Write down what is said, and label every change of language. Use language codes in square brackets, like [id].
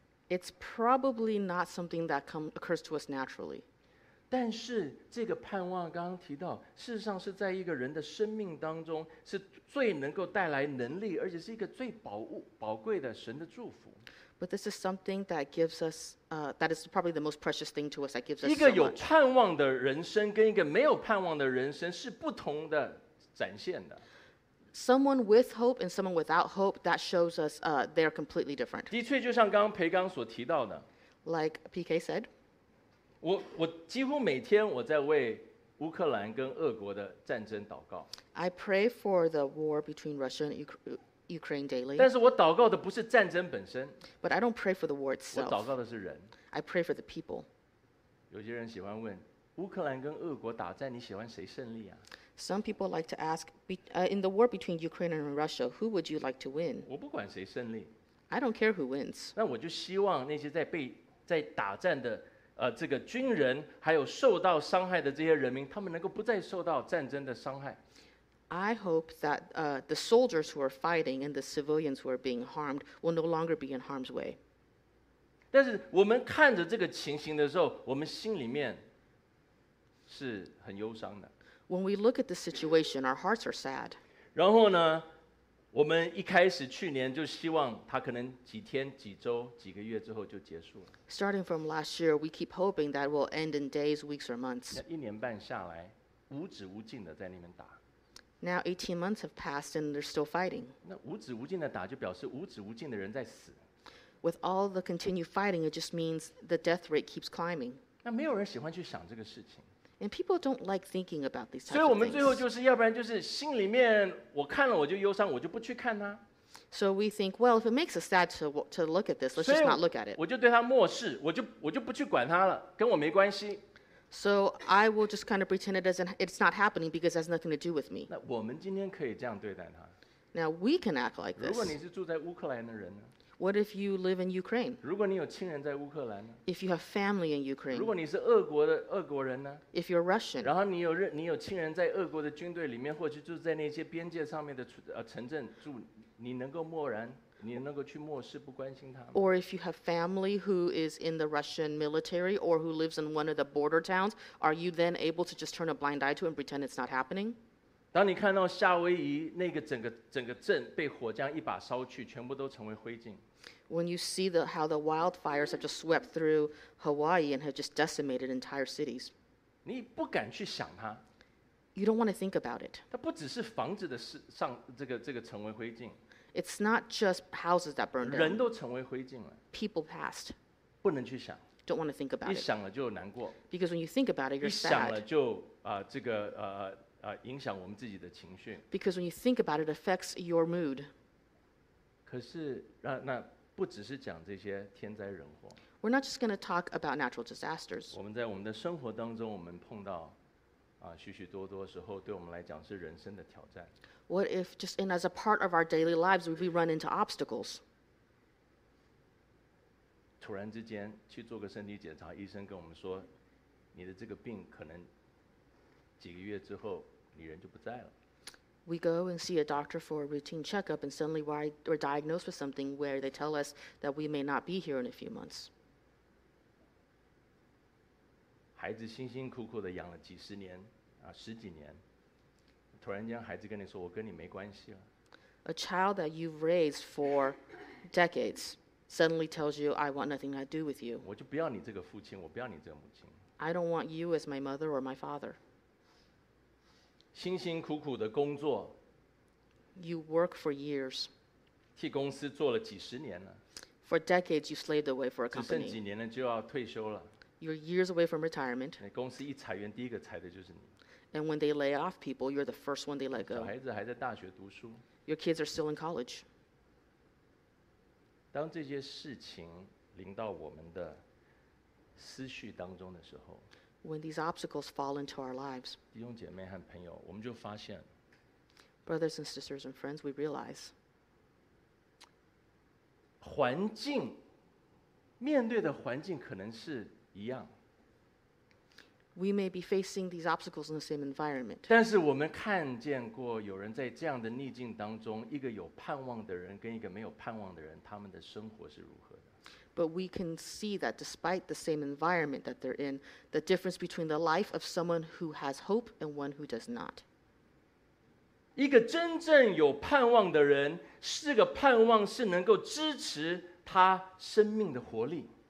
[en] It's probably not something that occurs to us naturally. [zh] 但是这个盼望刚刚提到，事实上是在一个人的生命当中是最能够带来能力，而且是一个最宝贵的神的祝福。 [en] But this is something that gives us, that is probably the most precious thing to us that gives us so much. [zh] 一个有盼望的人生跟一个没有盼望的人生是不同的展现的。 [en] Someone with hope and someone without hope, that shows us they are completely different. [zh] 的确，就像刚刚培刚所提到的 [en] ，Like PK said, [zh] 我几乎每天我在为乌克兰跟俄国的战争祷告。 [en] I pray for the war between Russia and Ukraine daily. [zh] 但是我祷告的不是战争本身 [en] ，But I don't pray for the war itself. [zh] 我祷告的是人。 [en] I pray for the people. [zh] 有些人喜欢问乌克兰跟俄国打战，你喜欢谁胜利啊？ [en] Some people like to ask, in the war between Ukraine and Russia, who would you like to win? [zh] 我不管谁胜利。 [en] I don't care who wins. [zh] 那我就希望那些在打战的这个军人，还有受到伤害的这些人民，他们能够不再受到战争的伤害。 [en] I hope that the soldiers who are fighting and the civilians who are being harmed will no longer be in harm's way. [zh] 但是我们看着这个情形的时候，我们心里面是很忧伤的。 [en] When we look at the situation, our hearts are sad. [zh] 然后呢，我们一开始去年就希望它可能几天、几周、几个月之后就结束了。 [en] Starting from last year, we keep hoping that will end in days, weeks, or months. [zh] 一年半下来，无止无尽的在那边打。 [en] Now 18 months have passed and they're still fighting. [zh] 那无止无尽的打就表示无止无尽的人在死。 [en] With all the continued fighting, it just means the death rate keeps climbing. [zh] 那没有人喜欢去想这个事情。 [en] And people don't like thinking about these types of things. [zh] 所以我们最后就是要不然就是心里面我看了我就忧伤我就不去看它。 [en] So we think, well, if it makes us sad to look at this, let's just not look at it. [zh] 我就对它漠视我就不去管它了跟我没关系。 [en] So I will just kind of pretend it's not happening because it has nothing to do with me. [zh] 那我们今天可以这样对待它。 [en] Now we can act like this. [zh] 如果你是住在乌克兰的人呢？ [en] What if you live in Ukraine? [zh] 如果你有亲人在乌克兰呢？ [en] If you have family in Ukraine. [zh] 如果你是俄国的俄国人呢？ [en] If you're Russian. [zh] 然后你有亲人在俄国的军队里面，或者就在那些边界上面的城镇住，你能够默然，你能够去漠视不关心他们？ [en] Or if you have family who is in the Russian military or who lives in one of the border towns, are you then able to just turn a blind eye to and pretend it's not happening? [zh] 当你看到夏威夷那个整个镇被火将一把烧去，全部都成为灰烬。 [en] When you see how the wildfires have just swept through Hawaii and have just decimated entire cities, [zh] 你不敢去想它。 [en] You don't want to think about it. [zh] 它不只是房子的上这个成为灰烬。 [en] It's not just houses that burned down. [zh] 人都成为灰烬了。 [en] People passed. [zh] 不能去想。 [en] Don't want to think about it. [zh] 一想了就难过。 [en] Because when you think about it, you're sad. [zh] 一想了就影响我们自己的情绪。 [en] Because when you think about it, it affects your mood. [zh] 可是那不只是讲这些天灾人祸。 [en] We're not just going to talk about natural disasters. [zh] 我们在我们的生活当中，我们碰到许许多多时候，对我们来讲是人生的挑战。 [en] What if just in as a part of our daily lives, we run into obstacles? [zh] 突然之间去做个身体检查，医生跟我们说，你的这个病可能几个月之后，你人就不在了。 [en] We go and see a doctor for a routine checkup, and suddenly we're diagnosed with something where they tell us that we may not be here in a few months. [zh] 孩子辛辛苦苦的养了几十年，十几年，突然间孩子跟你说，我跟你没关系了。 [en] A child that you've raised for decades suddenly tells you, I want nothing to do with you. [zh] 我就不要你这个父亲，我不要你这个母亲。 [en] I don't want you as my mother or my father. [zh] 辛辛苦苦的工作 [en] ，You work for years， [zh] 替公司做了几十年了 [en] ，For decades you slaved away for a company， [zh] 只剩几年了就要退休了 [en] ，You're years away from retirement， [zh] 公司一裁员，第一个裁的就是你 [en] ，And when they lay off people， you're the first one they let go， [zh] 小孩子还在大学读书 [en] ，Your kids are still in college， [zh] 当这些事情临到我们的思绪当中的时候。 [en] When these obstacles fall into our lives, [zh] 弟兄姐妹和朋友，我们就发现 [en] brothers and sisters and friends, we realize [zh] 环境面对的环境可能是一样 [en] we may be facing these obstacles in the same environment. [zh] 但是我们看见过有人在这样的逆境当中，一个有盼望的人跟一个没有盼望的人，他们的生活是如何的。 [en] But we can see that despite the same environment that they're in, the difference between the life of someone who has hope and one who does not. [zh] 一个真正有盼望的人，是个盼望是能够支持他生命的活力。